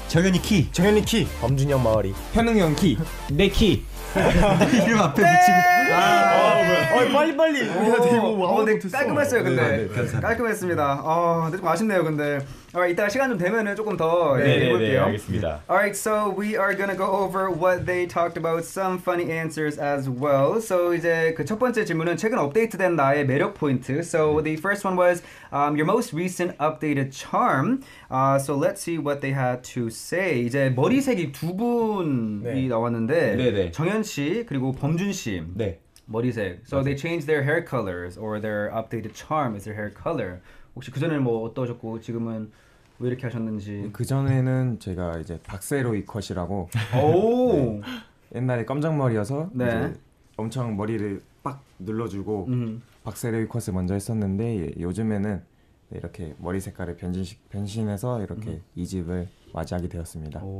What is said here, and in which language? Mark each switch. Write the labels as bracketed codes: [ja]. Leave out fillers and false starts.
[ko] 정현이 키 범준이 형 마을이 현웅이 형 키 내 키 이름 앞에 붙이고 빨리 깔끔했어요 근데 네, 감사합니다. 깔끔했습니다 근데 좀 아쉽네요 근데 Alright, 이따가 시간 좀 되면은 조금 더 얘기해볼게요. 네, 알겠습니다. [en] Alright, so we are gonna go over what they talked about, some funny answers as well. [ko] So 이제 그 첫 번째 질문은 최근 업데이트된 나의 매력 포인트. [en] So the first one was your most recent updated charm. So let's see what they had to say. [ko] 이제 머리색이 두 분이 네. 나왔는데 네. 정현 씨 그리고 범준 씨. 네. 머리색. [en] So [ko] 맞아요. [en] they changed their hair colors or their updated charm is their hair color. [ko] 혹시 그 전에 뭐 어떠셨고 지금은 왜 이렇게 하셨는지 그 전에는 제가 이제 박세로이 컷이라고 오 옛날에 검정머리여서 네. 이제 엄청 머리를 빡 눌러주고 박세로이 컷을 먼저 했었는데 요즘에는 이렇게 머리 색깔을 변신해서 이렇게 이 집을 맞이하게 되었습니다.